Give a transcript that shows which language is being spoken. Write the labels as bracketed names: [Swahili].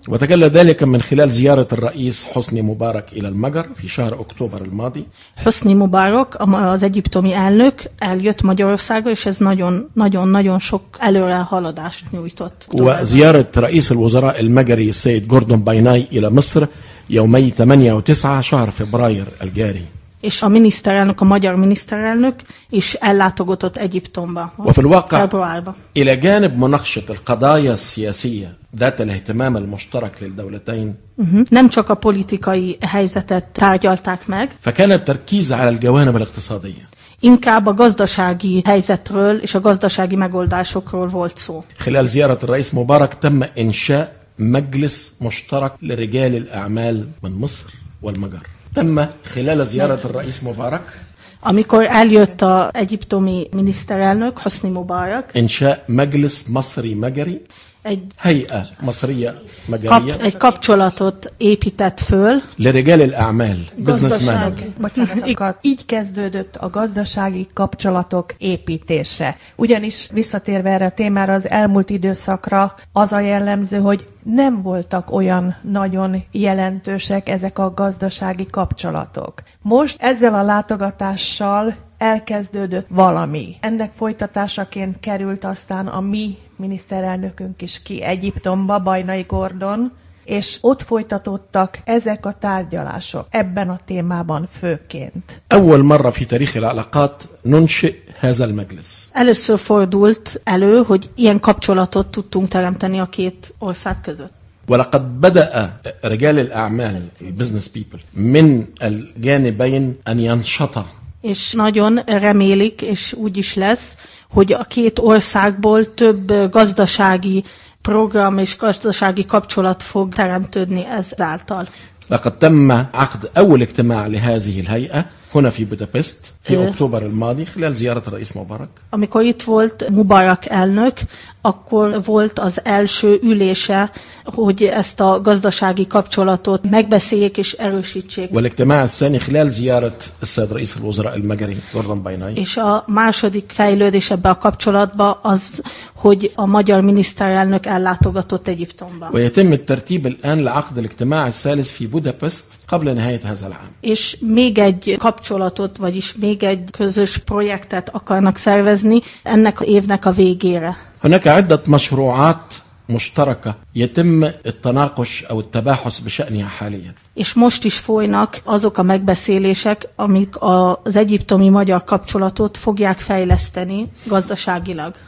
[Arabic] وتجلى ذلك من خلال زيارة الرئيس حسني مبارك إلى المجر في شهر أكتوبر الماضي. [Hungarian] حسني مبارك az egyiptomi elnök eljött Magyarországra, és ez nagyon sok előrehaladást nyújtott. [Arabic] وزيارة رئيس الوزراء المجري السيد جوردون بايناي إلى مصر يومي 8 و 9 شهر فبراير الجاري. [Hungarian] És a miniszterelnök, a magyar miniszterelnök is ellátogatott Egyiptomba. [Arabic] وفي الواقع إلى جانب مناقشة القضايا السياسية ذات الاهتمام المشترك للدولتين. [Hungarian] Nem csak a politikai helyzetet tárgyalták meg. [Arabic] فكان التركيز على الجوانب الاقتصادية. [Hungarian] Inkább a gazdasági helyzetről és a gazdasági megoldásokról volt szó. [Arabic] خلال زيارة الرئيس مبارك تم إنشاء مجلس مشترك لرجال الأعمال من مصر والمجر. تم خلال زيارة الرئيس مبارك [Hungarian] amikor eljött a egyiptomi miniszterelnök Hosni Mubarak [Arabic] إنشاء مجلس مصري مجري هيئة مصرية مجرية [Hungarian] egy kapcsolatot épített föl [Arabic] لرجال الأعمال businessmen [Hungarian] így kezdődött a gazdasági kapcsolatok építése. Ugyanis visszatérve erre a témára, az elmúlt időszakra az a jellemző, hogy nem voltak olyan nagyon jelentősek ezek a gazdasági kapcsolatok. Most ezzel a látogatással elkezdődött valami. Ennek folytatásaként került aztán a mi miniszterelnökünk is ki Egyiptomba, Bajnai Gordon, és ott folytatottak ezek a tárgyalások ebben a témában főként. [Arabic] أول مرة في تاريخ العلاقات ننشئ هذا المجلس. [Hungarian] Először fordult elő, hogy ilyen kapcsolatot tudtunk teremteni a két ország között. [Arabic] ولقد بدأ رجال الأعمال business people من الجانبين أن ينشط. [Hungarian] És nagyon remélik, és úgy is lesz, hogy a két országból több gazdasági program és gazdasági kapcsolat fog teremtődni ezáltal. [Arabic] لقد تم عقد أول اجتماع لهذه الهيئة هنا في بودابست في أكتوبر الماضي خلال زيارة الرئيس مبارك. [Hungarian] Amikor itt volt Mubarak elnök, akkor volt az első ülése, hogy ezt a gazdasági kapcsolatot megbeszéljék és erősítsék. [Arabic] والاجتماع الثاني خلال زيارة السيد رئيس الوزراء المجري جوردون بايناي. [Hungarian] És a második fejlődés ebbe a kapcsolatba az, hogy a magyar miniszterelnök ellátogatott Egyiptomba. [Arabic] ويتم الترتيب الآن لعقد الاجتماع الثالث في بودابست قبل نهاية هذا العام. [Hungarian] És még egy kapcsolatot, vagyis még egy közös projektet akarnak szervezni ennek évnek a végére. [Arabic] هناك عدة مشروعات مشتركة يتم التناقش أو التباحث بشأنها حاليا. [Hungarian] És most is folynak azok a megbeszélések, amik az egyiptomi magyar kapcsolatot fogják fejleszteni gazdaságilag.